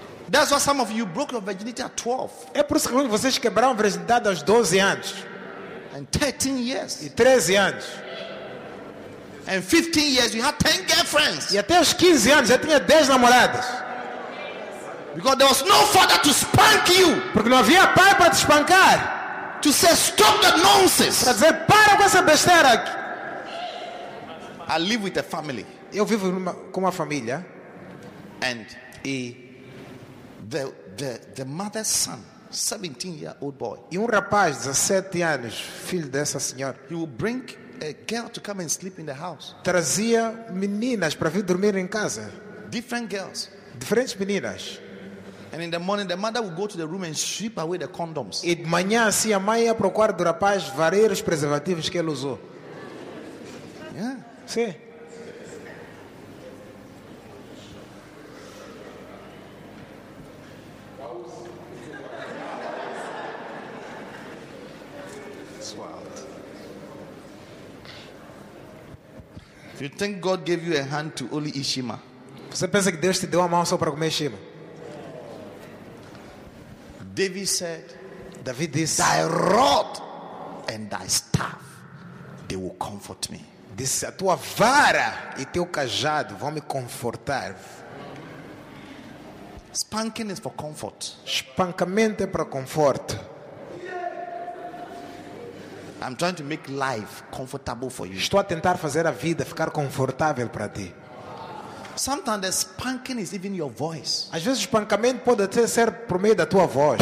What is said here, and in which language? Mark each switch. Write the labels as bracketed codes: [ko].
[en] That's why some of you broke your virginity at 12. [pt] É por isso que alguns vocês quebraram a virgindade aos 12 anos. [en] And 13 years. [pt] E 13 anos. [en] And 15 years you had 10 girlfriends. [pt] E até aos 15 anos já tinha 10 namoradas. [en] Because there was no father to spank you. [pt] Porque não havia pai para te espancar. [en] To say stop the nonsense. [pt] Para dizer para com essa besteira. [en] I live with a family. [pt] Eu vivo com uma família. [en] And e the mother's son, 17-year-old boy. [pt] E rapaz, 17 anos, filho dessa senhora. [en] He will bring a girl to come and sleep in the house. [pt] Trazia meninas para vir dormir em casa. [en] Different girls. [pt] Diferentes meninas. [en] And in the morning, the mother would go to the room and sweep away the condoms. [pt] E de manhã, assim, a mãe ia procurar do rapaz varrer os preservativos que ele usou. [en] Yeah. [pt] Sim. [en] You think God gave you a hand to only eat Shima? [pt] Você pensa que Deus te deu a mão só para comer Shima? [en] David said, [pt] David disse, [en] thy rod and thy staff, they will comfort me. [pt] Disse, a tua vara e teu cajado vão me confortar. [en] Spanking is for comfort. [pt] Espancamento é para conforto. [en] I'm trying to make life comfortable for you. [pt] Estou a tentar fazer a vida ficar confortável para ti. [en] Sometimes the spanking is even your voice. [pt] Às vezes o espancamento pode até ser por meio da tua voz.